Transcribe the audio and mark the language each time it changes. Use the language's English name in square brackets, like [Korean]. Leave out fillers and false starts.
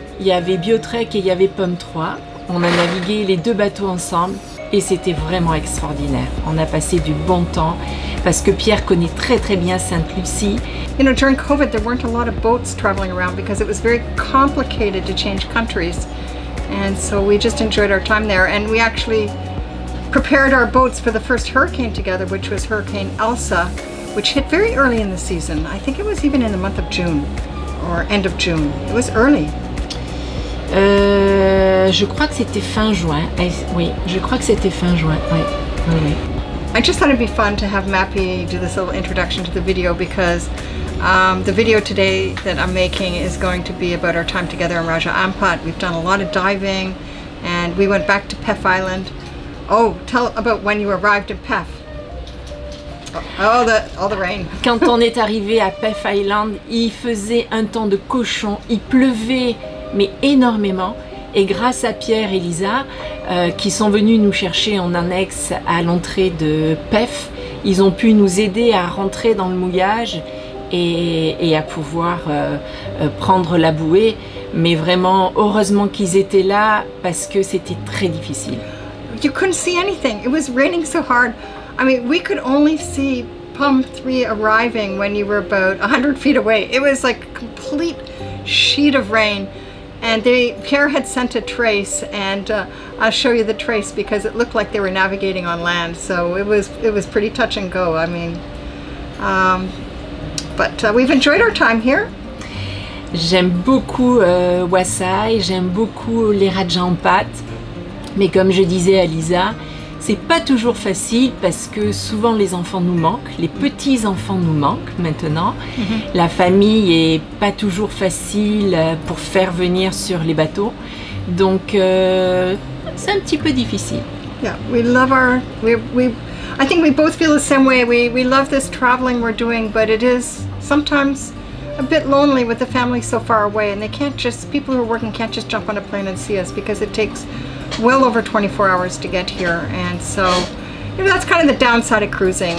[French] Il y avait Biotrek et il y avait Pomme 3. On a navigué les deux bateaux ensemble et c'était vraiment extraordinaire. On a passé du bon temps parce que Pierre connaît très très bien Sainte-Lucie. [English] You know, during COVID, there weren't a lot of boats traveling around because it was very complicated to change countries. And so we just enjoyed our time there. And we actually prepared our boats for the first hurricane together, which was Hurricane Elsa, which hit very early in the season. I think it was even in the month of June or end of June. It was early. [French] Je crois que c'était fin juin. Oui, je crois que c'était fin juin. Oui. Oui. [English] I just thought it'd be fun to have Mappy do this little introduction to the video because the video today that I'm making is going to be about our time together in Raja Ampat. We've done a lot of diving and we went back to Pef Island. Oh, tell about when you arrived at Pef. All the rain. [French] Quand on est arrivé à Pef Island, il faisait un temps de cochon, il pleuvait mais énormément, et grâce à Pierre et Lisa qui sont venus nous chercher en annexe à l'entrée de PEF, ils ont pu nous aider à rentrer dans le mouillage et à pouvoir prendre la bouée. Mais vraiment, heureusement qu'ils étaient là parce que c'était très difficile. [English] You couldn't see anything. It was raining so hard. I mean, we could only see Pomme 3 arriving when you were about 100 feet away. It was like a complete sheet of rain. And Pierre had sent a trace, and I'll show you the trace because it looked like they were navigating on land. So it was pretty touch and go. I mean, but we've enjoyed our time here. [French] J'aime beaucoup Waisai, j'aime beaucoup les Raja Ampat, mais comme je disais à Lisa, c'est pas toujours facile parce que souvent les enfants nous manquent, les petits enfants nous manquent maintenant. Mm-hmm. La famille est pas toujours facile pour faire venir sur les bateaux, donc c'est un petit peu difficile. [English] Yeah, we love our. We I think we both feel the same way. We love this traveling we're doing, but it is sometimes a bit lonely with the family so far away, and they can't just people who are working can't just jump on a plane and see us because it takes well over 24 hours to get here, and so you know, that's kind of the downside of cruising.